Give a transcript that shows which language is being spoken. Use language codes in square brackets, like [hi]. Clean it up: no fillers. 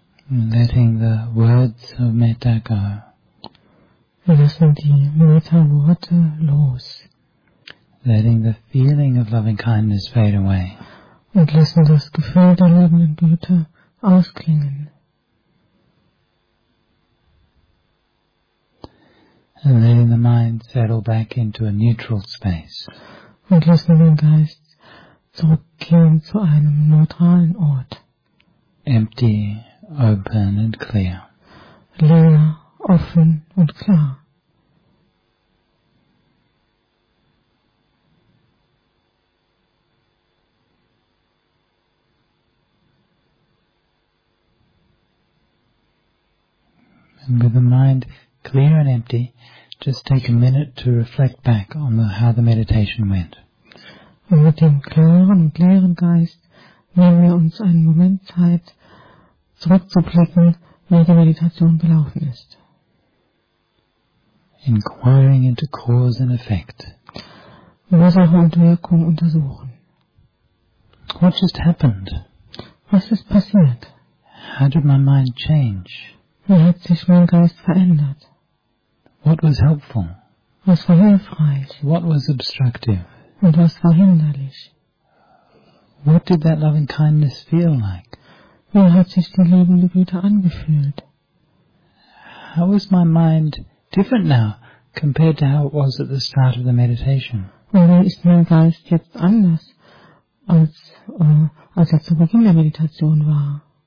[en] Letting the words of metta go. [de] Wir lassen die Metta-Worte los. [en] Letting the feeling of loving kindness fade away. [de] Und lassen das Gefühl der liebenden Güte ausklingen. [en] And letting the mind settle back into a neutral space. [de] Und lassen den Geist zurückkehren zu einem neutralen Ort. [en] Empty, open and clear. [de] Leer, offen und klar. [en] And with the mind clear and empty, just take a minute to reflect back on how the meditation went. [de] Und mit dem klaren und leeren Geist nehmen wir uns einen Moment Zeit, zurückzublicken, wie die Meditation gelaufen ist. [en] Inquiring into cause and effect. [de] Ursache und Wirkung untersuchen. [en] What just happened? [de] Was ist passiert? [en] How did my mind change? [de] Wie hat sich mein Geist verändert? [en] What was helpful? [de] Was war hilfreich? [en] What was obstructive? [de] Und was war hinderlich? [en] What did that loving kindness feel like? [de] Wie hat sich die liebende Güte angefühlt? [en] How is my mind different now compared to how it was at the start of the meditation? [de] Und wie ist mein Geist jetzt anders als er zu Beginn der Meditation war?